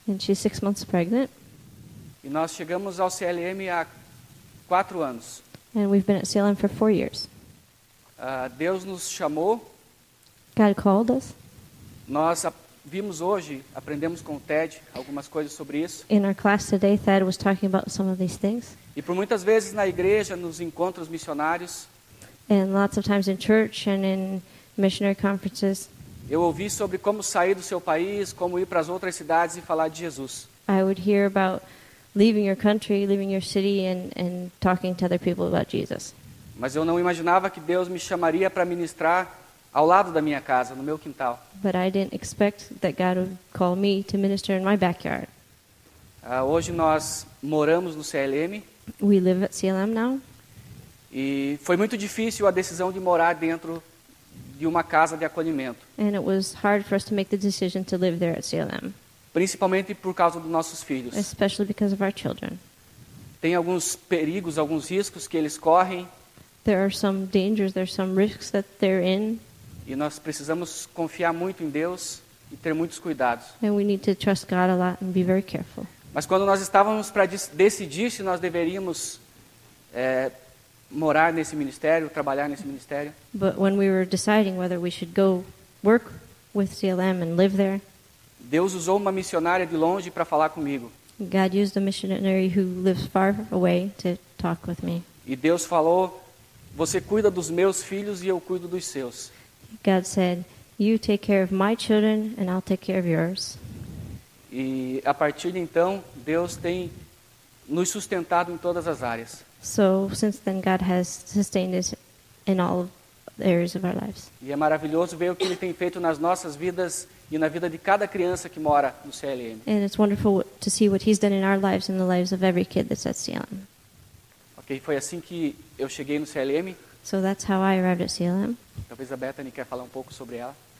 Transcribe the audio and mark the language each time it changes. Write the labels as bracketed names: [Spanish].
[English] And she's 6 months pregnant. [Portuguese] E nós chegamos ao CLM há 4 anos. [English] And we've been at CLM for 4 years. [Portuguese] Deus nos chamou. [English] God called us. [Portuguese] Nós vimos hoje, aprendemos com o Ted algumas coisas sobre isso. [English] In our class today, Ted was talking about some of these things. [Portuguese] E por muitas vezes na igreja, nos encontros missionários. [English] And lots of times in church and in missionary conferences. [Portuguese] Eu ouvi sobre como sair do seu país, como ir para as outras cidades e falar de Jesus. [English] I would hear about leaving your country, leaving your city and talking to other people about Jesus. [Portuguese] Mas eu não imaginava que Deus me chamaria para ministrar ao lado da minha casa, no meu quintal. [English] But I didn't expect that God would call me to minister in my backyard. [Portuguese] Hoje nós moramos no CLM. [English] We live at CLM now. [Portuguese] E foi muito difícil a decisão de morar dentro de uma casa de acolhimento. [English] And it was hard for us to make the decision to live there at CLM. [Portuguese] Principalmente por causa dos nossos filhos. [English] Especially because of our children. [Portuguese] Tem alguns perigos, alguns riscos que eles correm. [English] There are some dangers, there are some risks that they're in. [Portuguese] E nós precisamos confiar muito em Deus e ter muitos cuidados. [English] And we need to trust God a lot and be very careful. [Portuguese] Mas quando nós estávamos para decidir se nós deveríamos morar nesse ministério, trabalhar nesse ministério. [English] But when we were deciding whether we should go work with CLM and live there. [Portuguese] Deus usou uma missionária de longe para falar comigo. [English] God used a missionary who lives far away to talk with me. [Portuguese] E Deus falou: você cuida dos meus filhos e eu cuido dos seus. [English] God said, you take care of my children and I'll take care of yours. [Portuguese] E a partir de então, Deus tem nos sustentado em todas as áreas. [English] So, since then, God has sustained us in all areas of our lives. [Portuguese] E é maravilhoso ver o que Ele tem feito nas nossas vidas e na vida de cada criança que mora no CLM. [English] And it's wonderful to see what He's done in our lives and the lives of every kid that's at CLM. [Portuguese] Ok, foi assim que eu cheguei no CLM. [English] So, that's how I arrived at CLM. [Portuguese] Talvez a Bethany quer falar um pouco sobre ela.